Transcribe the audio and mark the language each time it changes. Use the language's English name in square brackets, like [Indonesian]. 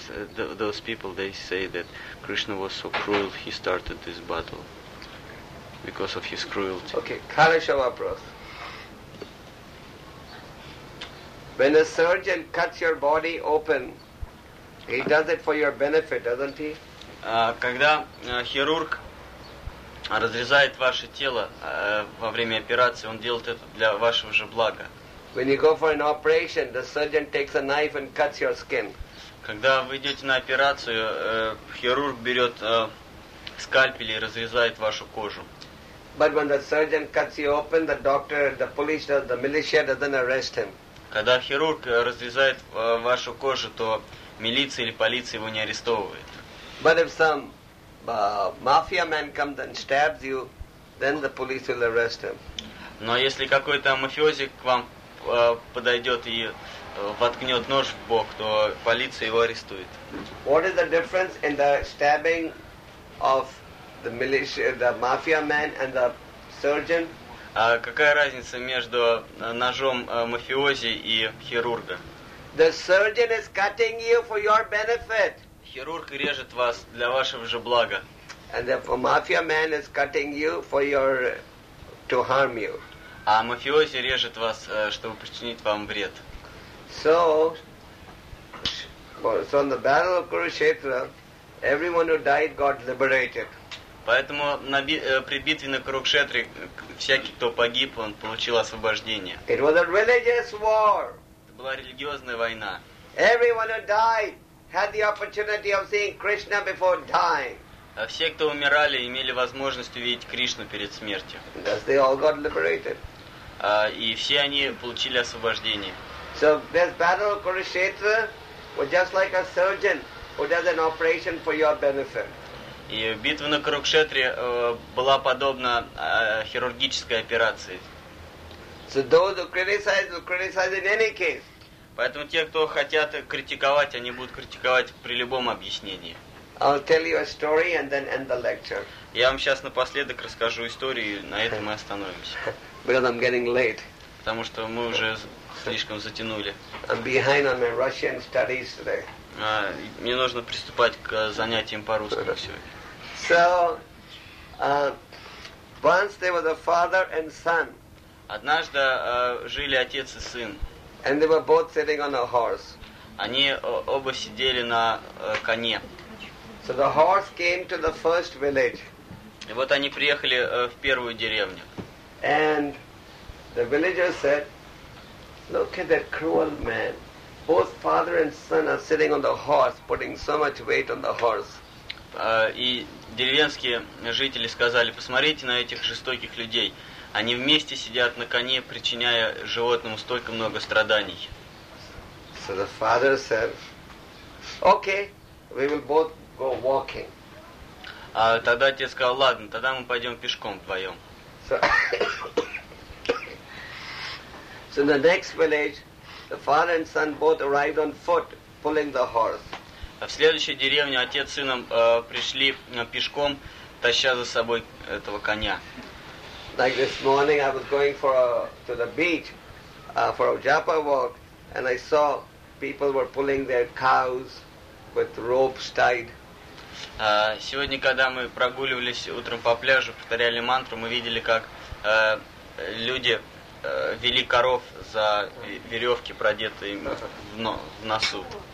[English] Sometimes those people, they say that Krishna was so cruel, he started this battle because of his cruelty. Okay, [Russian] Kalesha Vapros. [English] When a surgeon cuts your body open, he does it for your benefit, doesn't he? [Russian] Когда хирург разрезает ваше тело во время операции, он делает это для вашего же блага. [English] When you go for an operation, the surgeon takes a knife and cuts your skin. [Russian] Когда вы идете на операцию, хирург берет скальпель и разрезает вашу кожу. [English] But when the surgeon cuts you open, the doctor, the police, the militia doesn't arrest him. [Russian] Когда хирург разрезает вашу кожу, то милиция или полиция его не арестовывает. [English] But if some mafia man comes and stabs you, then the police will arrest him. [Russian] Но если какой-то мафиози к вам подойдет и воткнет нож в бок, то полиция его арестует. [English] What is the difference in the stabbing of the militia, the mafia man and the surgeon? [Russian] А какая разница между ножом мафиози и хирурга? [English] The surgeon is cutting you for your benefit. [Russian] Хирург режет вас для вашего же блага. [English] And the mafia man is cutting you for your to harm you. [Russian] А мафиози режет вас, чтобы причинить вам вред. [English] So in the battle of Kurukshetra, everyone who died got liberated. [Russian] Поэтому при битве на Курукшетре всякий, кто погиб, он получил освобождение. [English] It was a religious war. [Russian] Это была религиозная война. [English] Everyone who died had the opportunity of seeing Krishna before dying. [Russian] А все, кто умирали, имели возможность увидеть Кришну перед смертью. [English] Thus they all got liberated. [Russian] И все они получили освобождение. [English] So this battle of Kurukshetra was just like a surgeon who does an operation for your benefit. [Russian] И битва на Курукшетре была подобна хирургической операции. [English] So those who criticize will criticize in any case. [Russian] Поэтому те, кто хотят критиковать, они будут критиковать при любом объяснении. [English] I'll tell you a story and then end the lecture. [Russian] Я вам сейчас напоследок расскажу историю, и на этом мы остановимся. [English] Because I'm getting late. [Russian] Потому что мы уже слишком затянули. [English] I'm behind on my Russian studies today. [Russian] Мне нужно приступать к занятиям по-русски сегодня. [English] So, once there was a father and son. [Russian] Однажды жили отец и сын. [English] And they were both sitting on a horse. [Russian] Они оба сидели на коне. [English] So the horse came to the first village. [Russian] И вот они приехали в первую деревню. [English] And the villagers said, "Look at that cruel man. Both father and son are sitting on the horse, putting so much weight on the horse." [Russian] И деревенские жители сказали: "Посмотрите на этих жестоких людей. Они вместе сидят на коне, причиняя животному столько много страданий." [English] So the father said, "Okay, we will both go walking." [Russian] А тогда отец сказал: "Ладно, тогда мы пойдем пешком вдвоем." [English] So the next village, the father and son both arrived on foot, pulling the horse. [Russian] А в следующей деревне отец с сыном пришли пешком, таща за собой этого коня. [English] Like this morning, I was going to the beach for a japa walk, and I saw people were pulling their cows with ropes tied. [Russian] Сегодня, когда мы прогуливались утром по пляжу, повторяли мантру, мы видели, как люди вели коров за веревки, продетые им в носу.